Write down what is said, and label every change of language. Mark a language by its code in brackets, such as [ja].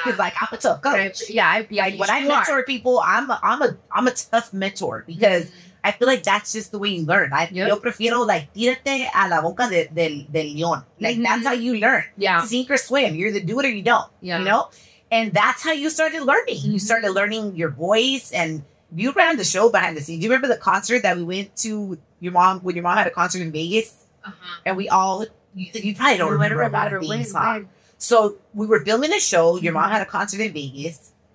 [en] Cause like I'm a tough coach. When I mentor people, I'm a tough mentor because mm-hmm. I feel like that's just the way you learn. [es] Yo prefiero, [en] like, [es] tírate a la boca del león. [en] Like, mm-hmm. that's how you learn. Yeah. Sink or swim. You either do it or you don't. Yeah. You know? And that's how you started learning. Mm-hmm. You started learning your voice. And you ran the show behind the scenes. Do you remember the concert that we went to when your mom had a concert in Vegas? Uh-huh. And we all, you probably don't remember about it. So we were filming a show. Your mm-hmm. mom had a concert in Vegas.